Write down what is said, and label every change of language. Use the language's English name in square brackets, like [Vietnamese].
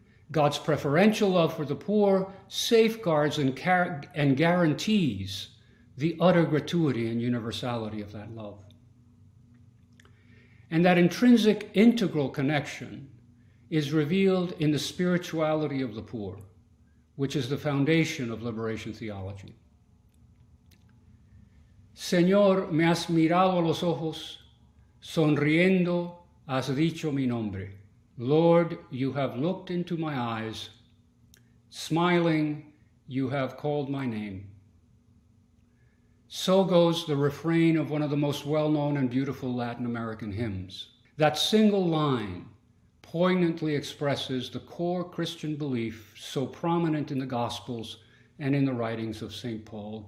[English] God's preferential love for the poor safeguards and guarantees the utter gratuity and universality of that love. And that intrinsic integral connection is revealed in the spirituality of the poor, which is the foundation of liberation theology. [Spanish] Señor, me has mirado a los ojos, sonriendo has dicho mi nombre. [English] Lord, you have looked into my eyes, smiling, you have called my name. So goes the refrain of one of the most well-known and beautiful Latin American hymns. That single line poignantly expresses the core Christian belief so prominent in the Gospels and in the writings of St. Paul.